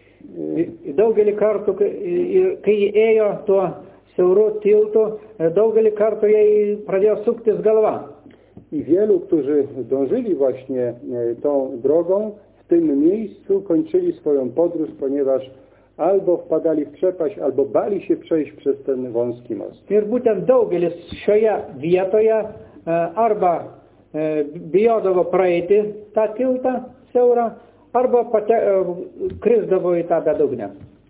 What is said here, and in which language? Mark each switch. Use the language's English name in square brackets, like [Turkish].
[Lithuanian] I daugelį kartų, kai ėjo tuo siauru tiltu, daugelį kartų jai pradėjo suktis galva. [Polish] I wielu, którzy dążyli właśnie tą drogą, w tym miejscu kończyli swoją podróż, ponieważ albo wpadali w przepaść, albo bali się przejść przez ten wąski most. [Lithuanian] Ir būtent daugelis šioje vietoje arba bijodavo praeiti tą tiltą siaurą, arba kryzdavo į tą bedugnę.